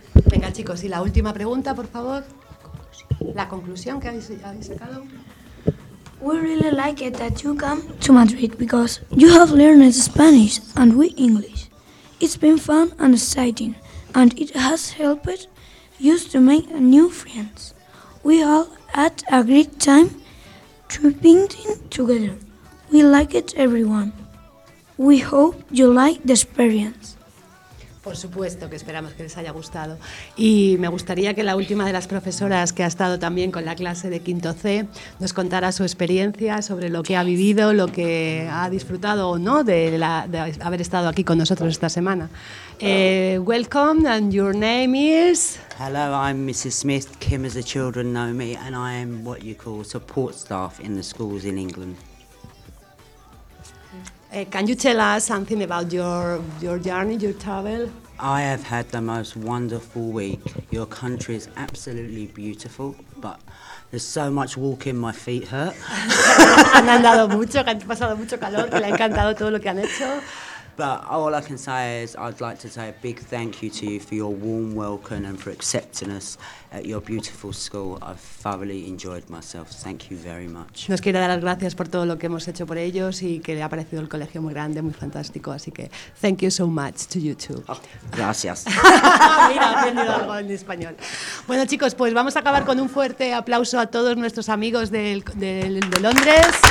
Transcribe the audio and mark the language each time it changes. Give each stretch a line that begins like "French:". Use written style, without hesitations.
Spanish: Venga, chicos, y la última pregunta, por favor. La conclusión que habéis sacado.
English: We really like it that you come to Madrid because you have learned Spanish and we English. It's been fun and exciting, and it has helped you to make new friends. We all had a great time tripping together. We like it, everyone. We hope you like the experience.
Spanish: Por supuesto que esperamos que les haya gustado. Y me gustaría que la última de las profesoras que ha estado también con la clase de quinto C nos contara su experiencia sobre lo que ha vivido, lo que ha disfrutado o no de haber estado aquí con nosotros esta semana.
English: Welcome, and your name is... Hello, I'm Mrs. Smith, Kim as the children know me, and I am what you call support staff in the schools in England. Can you tell us something about your journey, your travel? I have had the most wonderful week. Your country is absolutely beautiful, but there's so much walking, my feet hurt.
Spanish: Han andado mucho, han pasado mucho calor, que le ha encantado todo lo que han hecho.
English: But all I can say is I'd like to say a big thank you to you for your warm welcome and for accepting us at your beautiful school. I've thoroughly enjoyed myself. Thank you very much.
Spanish: Nos quiere dar las gracias por todo lo que hemos hecho por ellos y que le ha parecido el colegio muy grande, muy fantástico. Así que
English: thank you so much to you too.
Spanish: Oh, gracias. Mira, he aprendido algo en español. Bueno, chicos, pues vamos a acabar con un fuerte aplauso a todos nuestros amigos de Londres.